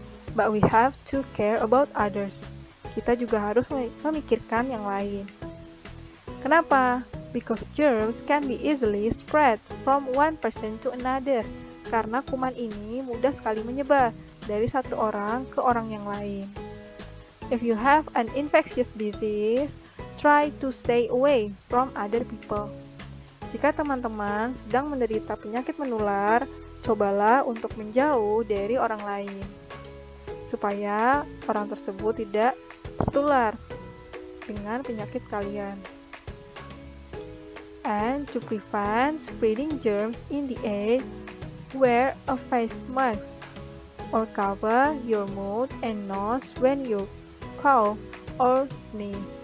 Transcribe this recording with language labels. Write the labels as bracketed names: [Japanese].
[English] But we have to care about others. [Indonesian] Kita juga harus memikirkan yang lain. Kenapa? [English] Because germs can be easily spread from one person to another. [Indonesian] Karena kuman ini mudah sekali menyebar dari satu orang ke orang yang lain. [English] If you have an infectious disease, try to stay away from other people. [Indonesian] Jika teman-teman sedang menderita penyakit menular, cobalah untuk menjauh dari orang lain, supaya orang tersebut tidak tertular dengan penyakit kalian. [English] And to prevent spreading germs in the air, wear a face mask or cover your mouth and nose when you cough or sneeze.